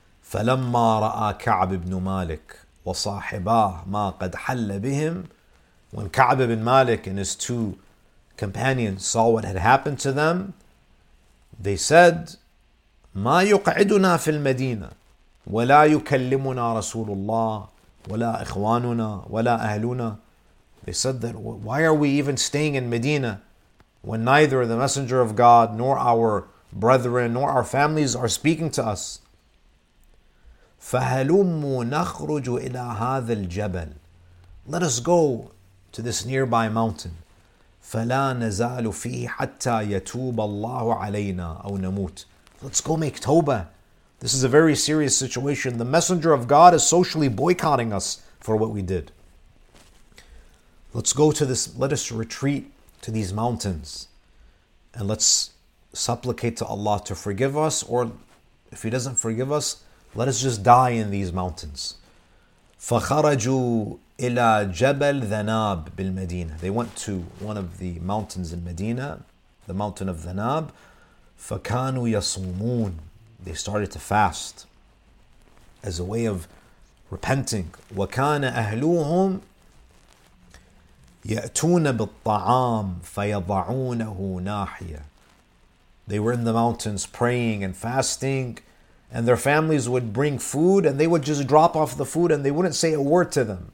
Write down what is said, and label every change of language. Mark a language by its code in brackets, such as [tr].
[ar] فَلَمَّا رَأَى كَعْبِ بْنُ مَالِكِ وَصَاحِبَاهِ مَا قَدْ حَلَّ بِهِمْ [en] When Ka'b ibn Malik and his two companions saw what had happened to them, they said, [ar] مَا يُقْعِدُنَا فِي الْمَدِينَةِ وَلَا يُكَلِّمُنَا رَسُولُ اللَّهِ وَلَا إِخْوَانُنَا وَلَا أَهْلُنَا [en] They said that, why are we even staying in Medina when neither the Messenger of God nor our brethren nor our families are speaking to us? [ar] فَهَلُمُّ نَخْرُجُ إِلَىٰ هَذَا الْجَبَلِ [en] Let us go to this nearby mountain. [ar] فَلَا نَزَالُ فِيهِ حَتَّى يَتُوبَ اللَّهُ عَلَيْنَا أَوْ نَمُوتُ [en] Let's go make tawbah. This is a very serious situation. The Messenger of God is socially boycotting us for what we did. Let's go to this, let us retreat to these mountains and let's supplicate to Allah to forgive us, or if He doesn't forgive us, let us just die in these mountains. [ar] فَخَرَجُوا إلى جبل ذناب بالمدينة. [en] They went to one of the mountains in Medina, the mountain of ذناب. [ar] فكانوا يصومون. [en] They started to fast as a way of repenting. [ar] وكان أهلهم يأتون بالطعام فيضعونه ناحية. [en] They were in the mountains praying and fasting, and their families would bring food and they would just drop off the food and they wouldn't say a word to them.